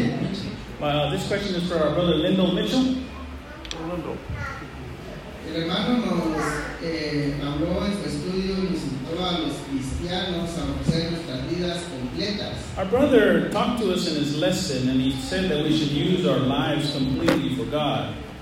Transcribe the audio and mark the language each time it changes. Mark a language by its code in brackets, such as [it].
[en] This question is for our brother Lyndall Mitchell. [es] El hermano nos habló en su estudio y nos invitó a los cristianos a ofrecer nuestras vidas completas. [en] Our brother talked to us in his lesson and he said that we should use our lives completely for God.